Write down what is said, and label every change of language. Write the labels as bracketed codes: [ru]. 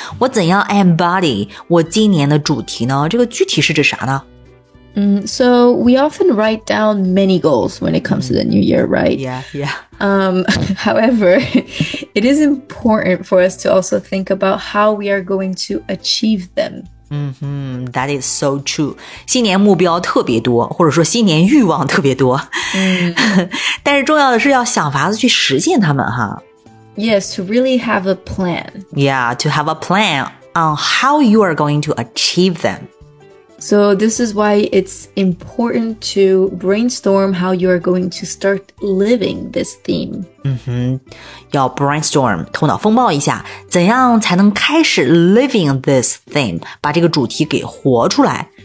[zh] 我怎样 embody 我今年的主题呢？这个具体是指啥呢？ [en] So we often write down many goals when it comes to the new year, right? Yeah. However, it is important for us to also think about how we are going to achieve them. That is so true. [zh] 新年目标特别多，或者说新年欲望特别多。但是重要的是要想法子去实现它们哈。 [en] Yes, to really have a plan. Yeah, to have a plan on how you are going to achieve them. So this is why it's important to brainstorm how you are going to start living this theme. [zh] 要 brainstorm, 头脑风暴一下，怎样才能开始 [en] living this theme, [zh] 把这个主题给活出来。